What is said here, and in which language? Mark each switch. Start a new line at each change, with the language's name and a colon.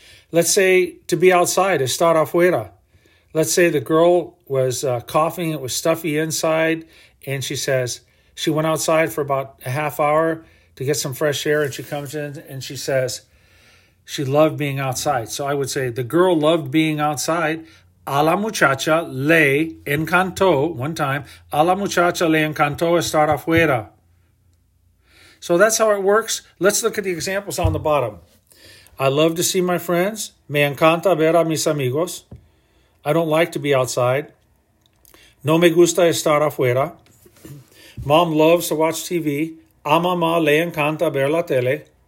English: Let's say to be outside,
Spanish: estar afuera.
English: Let's say the girl was coughing, it was stuffy inside, and she says, she went outside for about a half hour to get some fresh air, and she comes in and she says, she loved being outside. So I would say, the girl loved being outside.
Spanish: A la muchacha le encantó,
English: one time,
Spanish: a la muchacha le encantó estar afuera.
English: So that's how it works. Let's look at the examples on the bottom. I love to see my friends.
Spanish: Me encanta ver a mis amigos.
English: I don't like to be outside.
Spanish: No me gusta estar afuera.
English: Mom loves to watch TV.
Spanish: A mamá le encanta ver la tele.